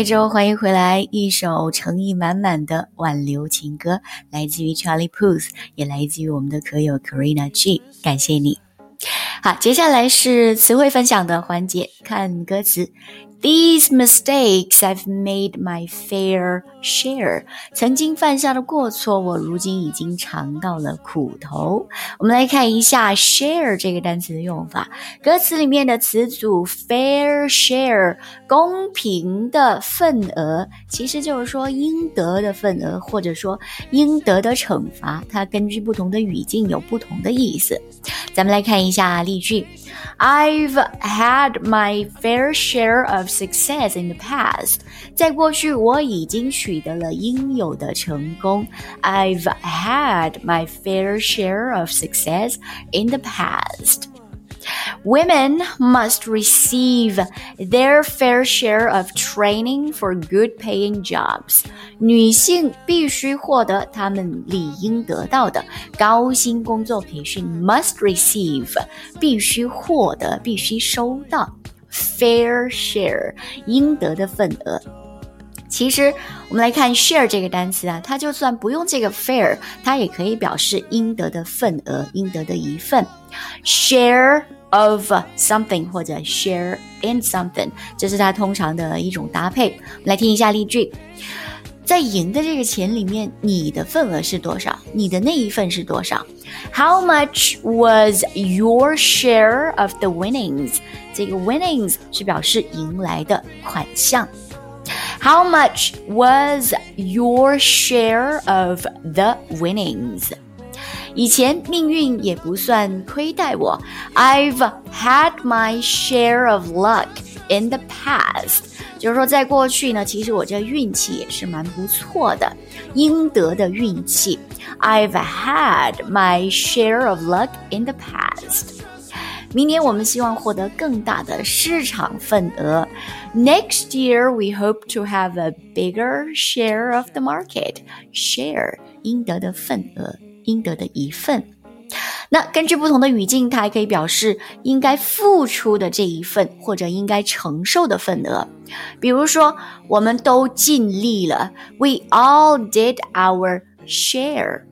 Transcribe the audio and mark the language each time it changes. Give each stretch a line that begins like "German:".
Chinese: 欢迎回来，一首诚意满满的挽留情歌，来自于 Charlie Puth， 也来自于我们的可友 Karina G， 感谢你。好，接下来是词汇分享的环节，看歌词。
English: These mistakes I've made my fair share.
Chinese: 曾经犯下的过错，我如今已经尝到了苦头。我们来看一下 share 这个单词的用法。歌词里面的词组 fair share， 公平的份额，其实就是说应得的份额，或者说应得的惩罚。它根据不同的语境有不同的意思。咱们来看一下例句。
English: I've had my fair share of success in the past.
Chinese: 在过去我已经取得了应有的成功。
English: I've had my fair share of success in the past. Women must receive their fair share of training for good paying jobs.
Chinese: 女性必须获得她们理应得到的高薪工作培训。
English: Must receive,
Chinese: 必须获得，必须收到。
English: Fair share,
Chinese: 应得的份额。其实我们来看 share 这个单词啊，它就算不用这个 fair, 它也可以表示应得的份额，应得的一份。
English: Share of something
Chinese: 或者
English: share in something,
Chinese: 这是它通常的一种搭配。我们来听一下例句。在赢的这个钱里面，你的份额是多少？你的那一份是多少？
English: How much was your share of the winnings?
Chinese: 这个 winnings 是表示赢来的款项。
English: How much was your share of the winnings?
Chinese: 以前命运也不算亏待我。
English: I've had my share of luck in the past.
Chinese: 就是说在过去呢，其实我这运气也是蛮不错的，应得的运气。
English: I've had my share of luck in the past.
Chinese: 明年我们希望获得更大的市场份额。
English: Next year, we hope to have a bigger share of the market.
Chinese: Share, 应得的份额，应得的一份。那根据不同的语境，它还可以表示应该付出的这一份，或者应该承受的份额。比如说，我们都尽力了。
English: We all did our share.